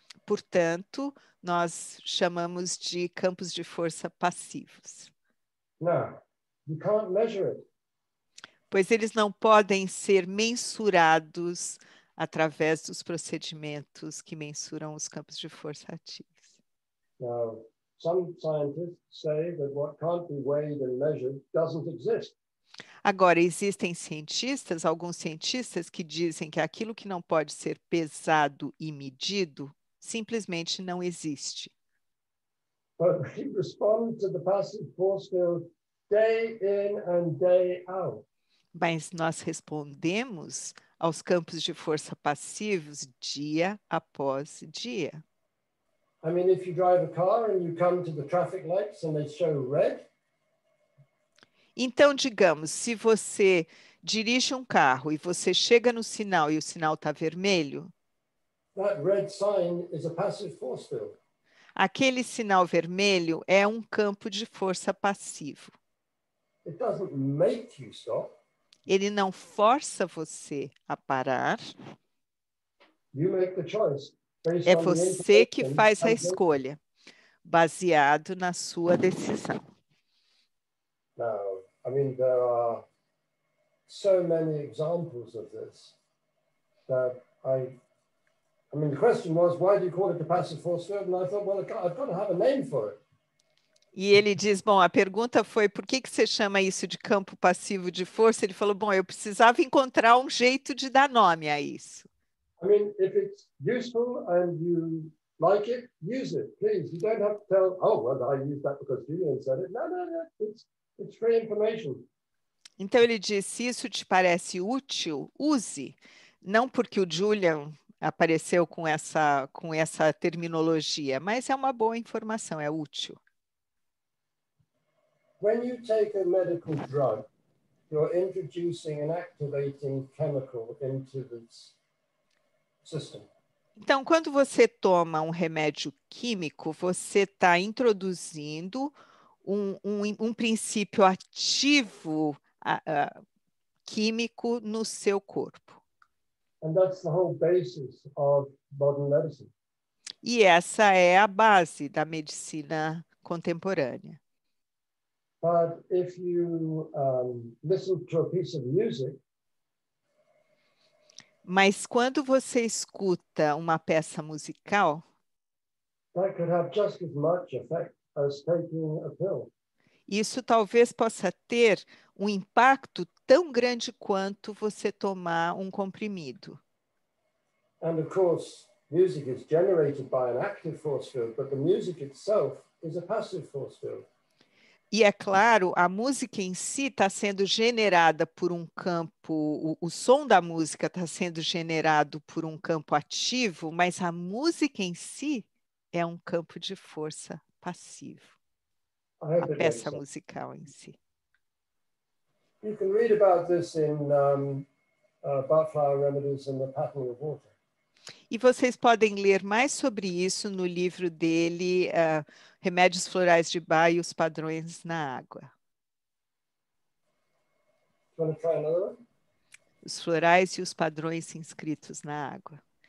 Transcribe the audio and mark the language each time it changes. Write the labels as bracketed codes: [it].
[pt] Portanto, nós chamamos de campos de força passivos. [en] Now, you can't measure it. [pt] Pois eles não podem ser mensurados através dos procedimentos que mensuram os campos de força ativos. [en] Now, some scientists say that what can't be weighed and measured doesn't exist. [pt] Agora, existem cientistas, alguns cientistas, que dizem que aquilo que não pode ser pesado e medido simplesmente não existe. [en] But we respond to the passive force field day in and day out. [pt] Mas nós respondemos aos campos de força passivos dia após dia. [en] I mean, if you drive a car and you come to the traffic lights and they show red. [pt] Então, digamos, se você dirige um carro e você chega no sinal e o sinal está vermelho, [en] that red sign is a passive force field. [pt] Aquele sinal vermelho é um campo de força passivo. [en] It doesn't make you stop. [pt] Ele não força você a parar. [en] You make the choice based on [pt] você que faz a escolha, baseado na sua decisão. [en] Now, I mean, there are so many examples of this that I mean, the question was, why do you call it the passive force field? And I thought, well, I've got to have a name for it. [pt] E ele diz, bom, a pergunta foi, por que que você chama isso de campo passivo de força? Ele falou, bom, eu precisava encontrar um jeito de dar nome a isso. [en] I mean, if it's useful and you like it, use it, please. You don't have to tell, oh, well, I used that because Julian said it. No, it's free information. [pt] Então ele diz, se isso te parece útil, use. Não porque o Julian apareceu com essa terminologia, mas é uma boa informação, é útil. [en] When you take a medical drug, you're introducing an activating chemical into the system. [pt] Então, quando você toma um remédio químico, você está introduzindo um princípio ativo químico no seu corpo. [en] And that's the whole basis of modern medicine. [pt] E essa é a base da medicina contemporânea. [en] But if you listen to a piece of music, [pt] mas quando você escuta uma peça musical, [en] that could have just as much effect as taking a pill. [pt] Isso talvez possa ter um impacto tão grande quanto você tomar um comprimido. [en] And of course, music is generated by an active force field, but the music itself is a passive force field. [pt] E é claro, a música em si está sendo generada por um campo, o som da música está sendo generado por um campo ativo, mas a música em si é um campo de força passivo. A peça musical em si. [en] You can read about this in Butterfly Remedies and the Pattern of Water. [pt] E vocês podem ler mais sobre isso no livro dele, Remédios Florais de Bach e os Padrões na Água. Os Florais e os Padrões Inscritos na Água.